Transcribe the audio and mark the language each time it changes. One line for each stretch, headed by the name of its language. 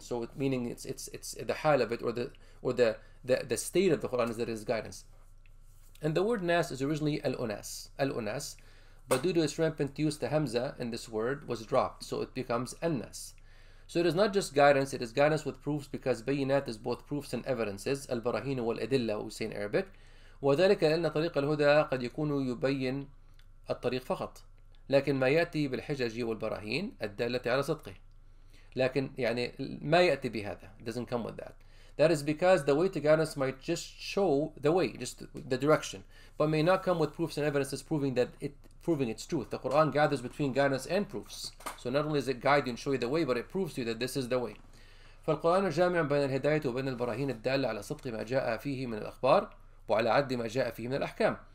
English: So it, meaning it's the hal of it, or the state of the Quran is that it is guidance. And the word nas is originally al-unas, but due to its rampant use, the hamza in this word was dropped, so it becomes an-nas. So it is not just guidance, it is guidance with proofs, because bayinat is both proofs and evidences. Al-barahin wal-adilla, we say in Arabic.
Arabic: وَذَلِكَ لَأَنَّ طَرِيقَ الْهُدَىٰ قَدْ يَكُونُ يُبَيِّنُ الطَّرِيقَ فَقَطْ لَكِنْ مَا يَأْتِي بِالْحِجَجِ وَالْبَرَاهِينِ الدَّالَّةِ عَلَىٰ صِدْقِهِ لَكِنْ يعني مَا يَأْتِي بِهَذَا
English: doesn't come with that. That is because the way to guidance might just show the way, just the direction, but may not come with proofs and evidences proving that it proving its truth. The Quran gathers between guidance and proofs. So not only does it guide you and show you the way, but it proves to you that this is the way.
Arabic: فَالْقُرْآنُ جَامِعٌ بَيْنَ الْهِدَايَةِ وَبَيْنَ الْبَرَاهِينِ الدَّالَّةِ عَلَىٰ صِدْقِ مَا جَاءَ فِيهِ مِنَ الْأَخْبَارِ وَعَلَىٰ عَدِّ مَا جَاءَ فِيهِ مِنَ الْأَحْكَامِ.